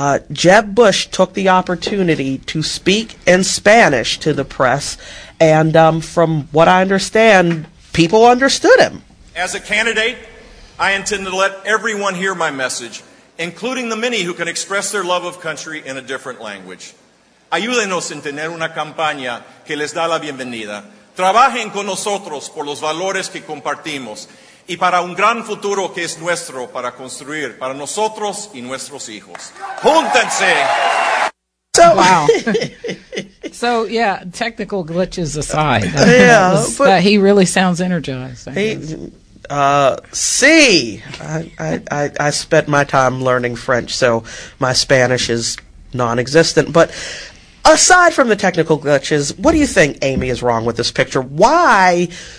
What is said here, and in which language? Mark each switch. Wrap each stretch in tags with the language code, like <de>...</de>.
<en>Jeb Bush took the opportunity to speak in Spanish to the press, and from what I understand, people understood him. As a candidate, I intend to let everyone hear my message, including the many who can express their love of country in a different language.</en> <es>Ayúdenos en tener una campaña que les da la bienvenida. Trabajen con nosotros por los valores que compartimos y para un gran futuro que es nuestro para construir para nosotros y nuestros hijos. ¡Júntense!</es> <en>So, wow. So, yeah, technical glitches aside, he really sounds energized. I spent my time learning French, so my Spanish is non-existent, but aside from the technical glitches, what do you think, Amy, is wrong with this picture? Why?</en>